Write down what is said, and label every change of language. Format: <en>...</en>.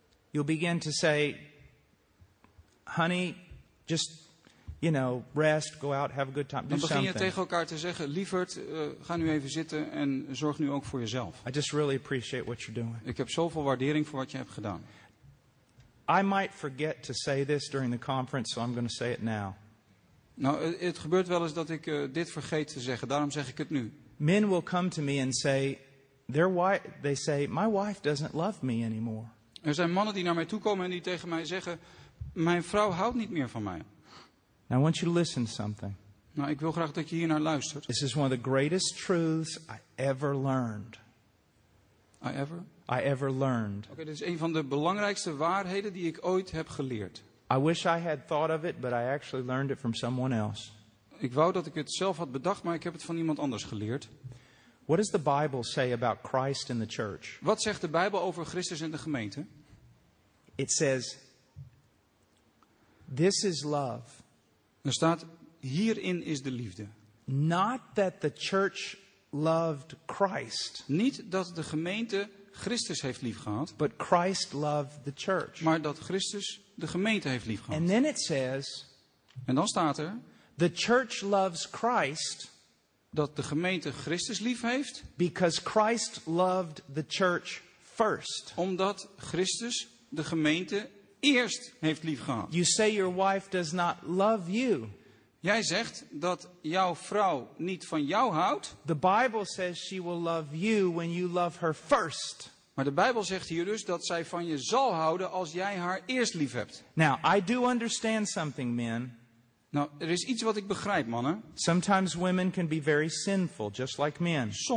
<en>you'll begin to say, honey, just, you know, rest, go out, have a good time, do something.</en> <nl>Dan begin je tegen elkaar te zeggen, lieverd, ga nu even zitten en zorg nu ook voor jezelf.</nl> <en>I just really appreciate what you're doing.</en> <nl>Ik heb zoveel waardering voor wat je hebt gedaan.</nl> <en>I might forget to say this during the conference, so I'm going to say it now.</en> <nl>Nou, het gebeurt wel eens dat ik dit vergeet te zeggen, daarom zeg ik het nu.</nl> <en>Men will come to me and say, they say, my wife doesn't love me anymore.</en> <nl>Er zijn mannen die naar mij toe komen en die tegen mij zeggen, mijn vrouw houdt niet meer van mij.</nl> <en>Now, I want you to listen to something.</en> <nl>Nou, ik wil graag dat je hier naar luistert.</nl> <en>This is one of the greatest truths I ever learned. I ever learned.</en> <nl>Oké, dit is een van de belangrijkste waarheden die ik ooit heb geleerd.</nl> <en>I wish I had thought of it, but I actually learned it from someone else.</en> <nl>Ik wou dat ik het zelf had bedacht, maar ik heb het van iemand anders geleerd.</nl> <en>What does the Bible say about Christ and the church?</en> <nl>Wat zegt de Bijbel over Christus en de gemeente?</nl> <en>It says, "This is love."</en> <nl>Er staat: hierin is de liefde.</nl> <en>Not that the church loved Christ.</en> <nl>Niet dat de gemeente Christus heeft lief gehad.</nl> <en>But Christ loved the church.</en> <nl>Maar dat Christus de gemeente heeft lief gehad.</nl> <en>And then it says,</en> <nl>en dan staat er:</nl> <en>the church loves Christ.</en> <nl>Dat de gemeente Christus lief heeft.</nl> <en>Because Christ loved the church first.</en> <nl>Omdat Christus de gemeente eerst heeft lief gehad.</nl> <en>You say your wife does not love you.</en> <nl>Jij zegt dat jouw vrouw niet van jou houdt.</nl> <en>The Bible says she will love you when you love her first.</en> <nl>Maar de Bijbel zegt hier dus dat zij van je zal houden als jij haar eerst lief hebt.</nl> <en>Now, I do understand something, men.</en> <nl>Nou, er is iets wat ik begrijp, mannen.</nl> <en>Sometimes women can be very sinful, just like men.</en>